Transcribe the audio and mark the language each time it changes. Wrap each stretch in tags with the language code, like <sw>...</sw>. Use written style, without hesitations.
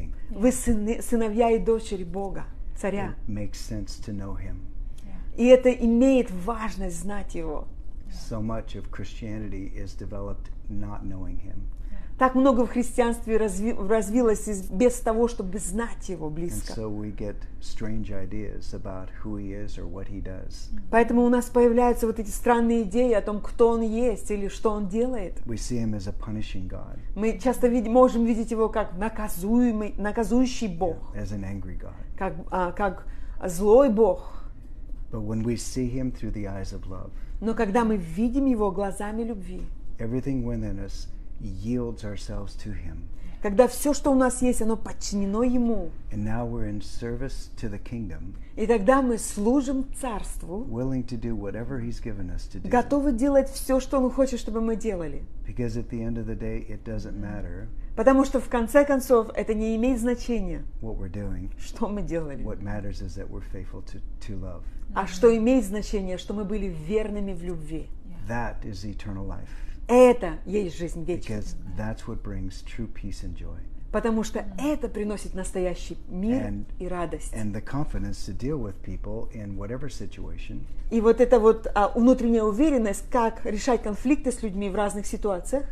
<ru>Вы сыновья и дочери Бога, Царя.</ru> <en>Yeah.</en> <ru>И это имеет важность знать Его.</ru> <en>So much of Christianity is developed not knowing Him.</en> <ru>Так много в христианстве развилось без того, чтобы знать Его близко.</ru> <en>And so we get strange ideas about who He is or what He does.</en> <ru>Поэтому у нас появляются вот эти странные идеи о том, кто Он есть или что Он делает.</ru> <en>We see Him as a punishing God.</en> <ru>Мы часто можем видеть Его как наказующий Бог.</ru> <en>Yeah, as an angry God.</en> <ru>Как злой Бог.</ru> <en>But when we see Him through the eyes of love.</en> <ru>Но когда мы видим Его глазами любви,</ru> <en>everything within us yields ourselves to Him.</en> <ru>Когда все, что у нас есть, оно подчинено Ему,</ru> <en>and now we're in service to the kingdom,</en> <ru>и тогда мы служим Царству,</ru> <en>willing to do whatever He's given us to do,</en> <ru>готовы делать все, что Он хочет, чтобы мы делали.</ru> <en>Because at the end of the day, it doesn't matter.</en> <ru>Потому что в конце концов это не имеет значения,</ru> <en>what we're doing,</en> <ru>что мы делали.</ru> <en>What matters is that we're faithful to love.</en> <ru>А что имеет значение, что мы были верными в любви.</ru> <en>That is eternal life.</en> <ru>Это есть жизнь вечная.</ru> <en>Because that's what brings true peace and joy.</en> <ru>Потому что это приносит настоящий мир и радость.</ru> <en>And the confidence to deal with people in whatever situation.</en> <ru>И вот эта вот внутренняя уверенность, как решать конфликты с людьми в разных ситуациях.</ru>